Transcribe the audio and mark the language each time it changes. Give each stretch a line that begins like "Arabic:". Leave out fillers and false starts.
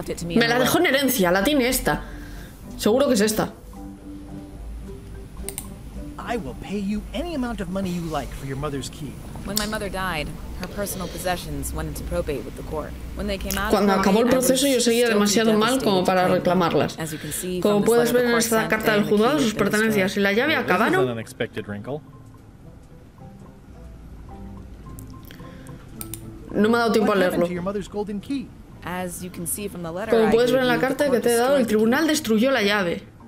Spanish: Me la dejó en herencia, la tiene esta. Seguro que es esta.
English: I will pay you any amount of money you like for your mother's key. When my mother died, her personal possessions went into probate with the court. When they came out,
Spanish: cuando acabó el proceso yo seguía demasiado mal como para reclamarlas. Como puedes ver en esta carta del juzgado, sus pertenencias y la llave acabaron. No me ha dado tiempo a leerlo. Como puedes ver en la carta que te he dado, el tribunal destruyó la llave.